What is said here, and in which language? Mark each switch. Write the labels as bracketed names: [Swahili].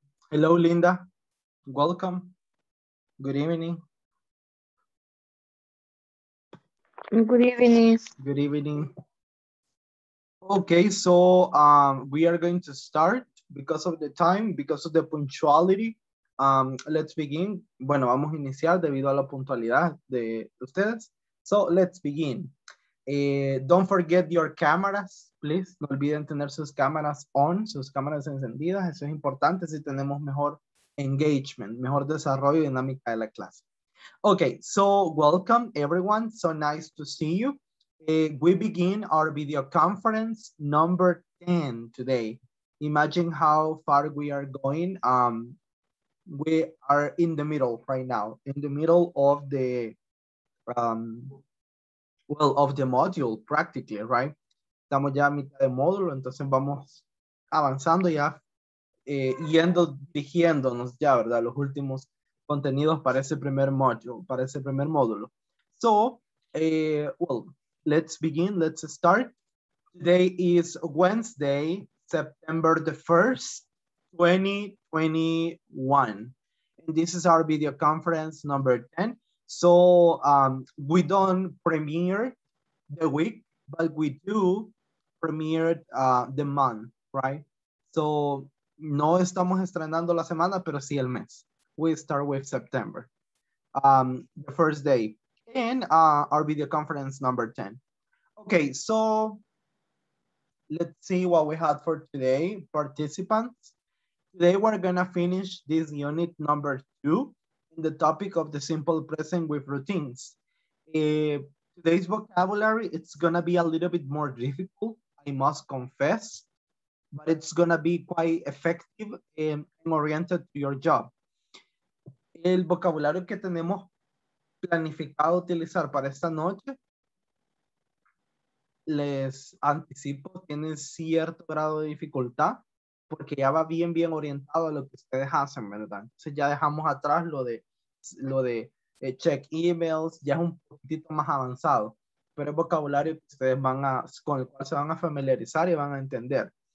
[English] Hello, Linda. Welcome. Good evening. Good evening. Good evening. Okay, so we are going to start because of the time, because of the punctuality. Let's begin. [Spanish] Bueno, vamos a iniciar debido a la puntualidad de ustedes. [English] So let's begin. Don't forget your cameras, please. [Spanish] No olviden tener sus cámaras on, sus cámaras encendidas. Eso es importante si tenemos mejor engagement, mejor desarrollo y dinámica de la clase. [English] Okay, so welcome everyone. So nice to see you. We begin our video conference number 10 today. Imagine how far we are going. We are in the middle right now, in the middle of the... well, of the module, practically, right? [Spanish] Estamos ya a mitad de módulo, entonces vamos avanzando ya, yendo, dirigiéndonos ya, ¿verdad? Los últimos contenidos para ese primer module, para ese primer módulo. [English] So, well, let's begin, let's start. Today is Wednesday, September the 1st, 2021. And this is our video conference number 10. So we don't premiere the week, but we do premiere the month, right? [Spanish] So no estamos estrenando la semana, pero sí el mes. [English] We start with September, the first day in our video conference number 10. Okay, so let's see what we had for today, participants. Today we're gonna finish this unit number 2. The topic of the simple present with routines. Today's vocabulary, it's gonna be a little bit more difficult, I must confess, but it's gonna be quite effective and oriented to your job. [Spanish] El vocabulario que tenemos planificado utilizar para esta noche, les anticipo, tiene cierto grado de dificultad porque ya va bien, bien orientado a lo que ustedes hacen, ¿verdad? Entonces ya dejamos atrás lo de [English] check emails, [Spanish] ya es un poquitito más avanzado, pero es vocabulario que ustedes van a, con el cual se van a familiarizar y van a entender.